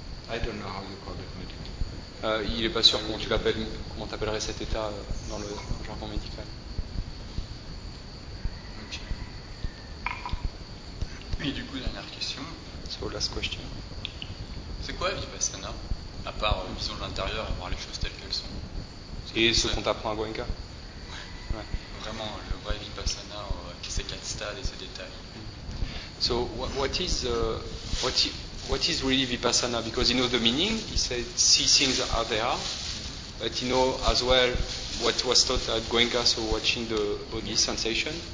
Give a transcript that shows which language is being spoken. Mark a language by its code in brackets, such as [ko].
[en] I don't know how you call it medical. [fr] Il n'est pas sûr comment tu l'appelles, comment tu appellerais cet état dans le jargon médical. [en] Ok. [fr] Et du coup, dernière question. [en] So last question. [fr] C'est quoi Vipassana? À part une vision de l'intérieur et voir les choses telles qu'elles sont. Et ce qu'on t'apprend à Goenka. Ouais. Vraiment, le vrai Vipassana, ces quatre stades et ces détails. [en] So, what is really Vipassana? Because he knows the meaning, he said, see things as they are, but he knows as well what was taught at Goenka, so watching the body sensation.